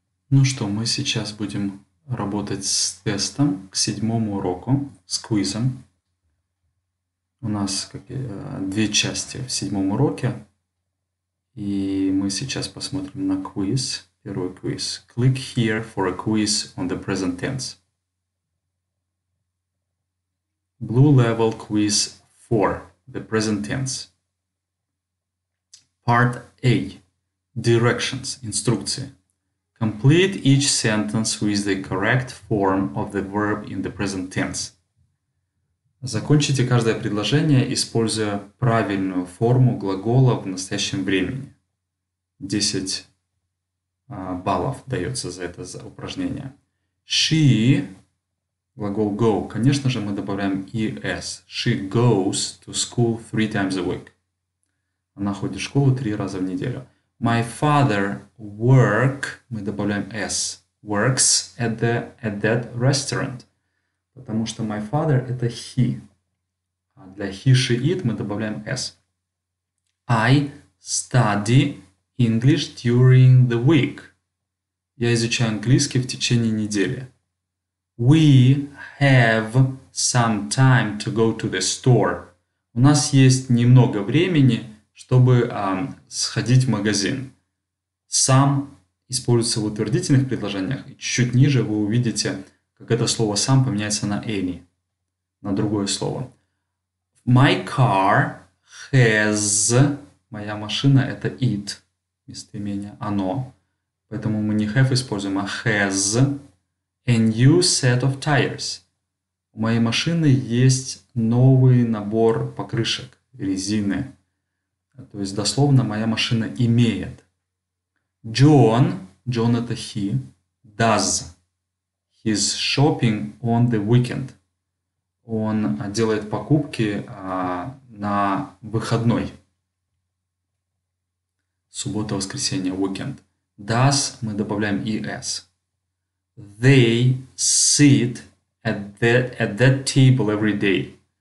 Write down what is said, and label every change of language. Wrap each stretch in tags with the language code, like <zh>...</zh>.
<ru>Ну что, мы сейчас будем работать с тестом к седьмому уроку, с квизом. У нас две части в седьмом уроке. И мы сейчас посмотрим на квиз. Первый квиз.</ru> <en>Click here for a quiz on the present tense. Blue level quiz for the present tense. Part A. Directions.</en> <ru>Инструкции.</ru> <en>Complete each sentence with the correct form of the verb in the present tense.</en> <ru>Закончите каждое предложение, используя правильную форму глагола в настоящем времени. 10 баллов дается за это за упражнение. She, глагол go, конечно же, мы добавляем es.</ru> <en>She goes to school 3 times a week.</en> <ru>Она ходит в школу 3 раза в неделю.</ru> <en>My father work,</en> <ru>мы добавляем s,</ru> <en>works at that restaurant.</en> <ru>Потому что</ru> <en>my father</en> <ru>это he. А для he, she, it мы добавляем s.</ru> <en>I study English during the week.</en> <ru>Я изучаю английский в течение недели.</ru> <en>We have some time to go to the store.</en> <ru>У нас есть немного времени, чтобы сходить в магазин. Сам используется в утвердительных предложениях. И чуть-чуть ниже вы увидите, как это слово сам поменяется на any, на другое слово.</ru> <en>My car has...</en> <ru>Моя машина – это it, местоимение, оно. Поэтому мы не</ru> <en>have</en> <ru>используем, а</ru> <en>has a new set of tires.</en> <ru>У моей машины есть новый набор покрышек, резины. То есть, дословно, моя машина имеет.</ru> <en>John</en> <ru>это</ru> <en>he, does his shopping on the weekend.</en> <ru>Он делает покупки на выходной. Суббота, воскресенье, weekend. Does мы добавляем es.</ru> <en>They sit at that table every day.</en>